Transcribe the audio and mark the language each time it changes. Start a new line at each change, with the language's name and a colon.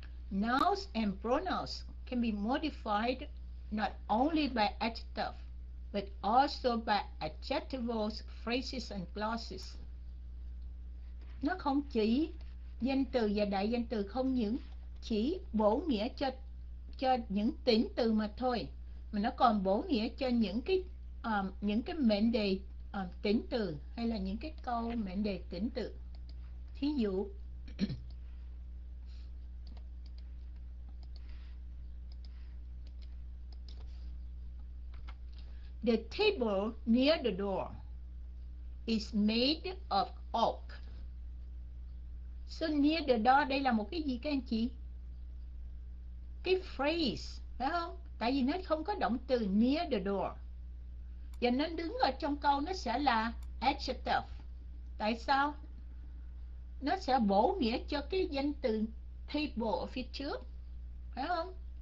English: Nouns and pronouns can be modified not only by adjective, but also by adjectivals, phrases and clauses.
Vietnamese: Nó không chỉ danh từ và đại danh từ không những chỉ bổ nghĩa cho những tính từ mà thôi, mà nó còn bổ nghĩa cho những cái mệnh đề tính từ hay là những cái câu mệnh đề tính từ. Thí dụ
English: The table near the door is made of oak.
Vietnamese: So
English: near the door
Vietnamese: đây là một cái gì các anh chị? Cái phrase, phải không? Tại vì nó không có động từ
English: near the door.
Vietnamese: Và nó đứng ở trong câu nó sẽ là adjective. Tại sao? Nó sẽ bổ nghĩa cho cái danh từ table ở phía trước, phải không?